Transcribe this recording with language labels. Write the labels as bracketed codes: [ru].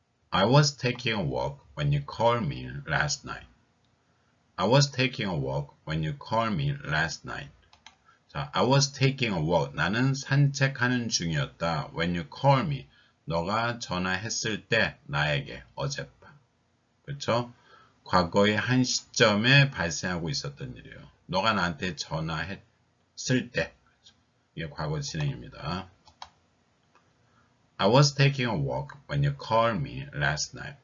[en] I was taking a walk when you called me last night. I was taking a walk when you called me last night. 자, I was taking a walk. [ko] 나는 산책하는 중이었다. [en] When you called me. [ko] 너가 전화했을 때 나에게 어젯밤. 그렇죠? 과거의 한 시점에 발생하고 있었던 일이에요. 너가 나한테 전화했을 때. 이게 과거 진행입니다. [en] I was taking a walk when you called me last night.